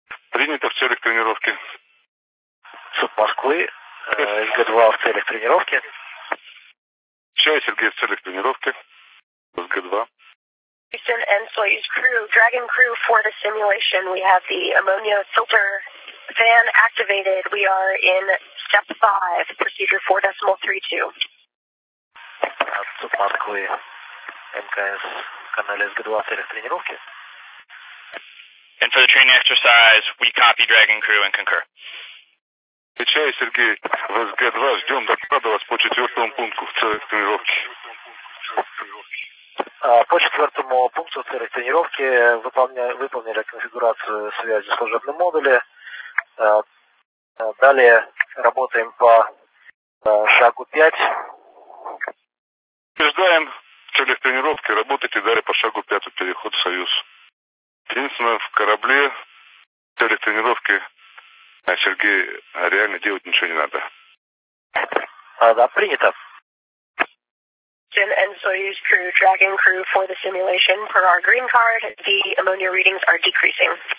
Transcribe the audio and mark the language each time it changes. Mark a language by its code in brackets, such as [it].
[ru] Принято в целях тренировки. ЦУП Москвы, СГ-2 в целях тренировки. Чай, Сергей, в целях тренировки. СГ-2. [en] Houston and Soyuz crew, Dragon crew for the simulation. We have the ammonia filter fan activated. We are in step 5, procedure 4.32. [ru] ЦУП Москвы, МКС, канал СГ-2, в целях тренировки. [en] And for the training exercise, we copy Dragon crew and concur. [ru] Чай, Сергей, в СГ-2, ждем доклада вас по четвертому пункту в целях тренировки. По четвертому пункту в целях тренировки выполнили конфигурацию связи в служебном модуле. Далее работаем по шагу 5. Убеждаем в целях тренировки, работайте далее по шагу 5, переход в Союз. Единственное, в корабле в целях тренировки... А Сергей, реально делать ничего не надо. А, да, принято. [en] Jin and Soyuz crew, Dragon crew for the simulation. Per our green card, the ammonia readings are decreasing.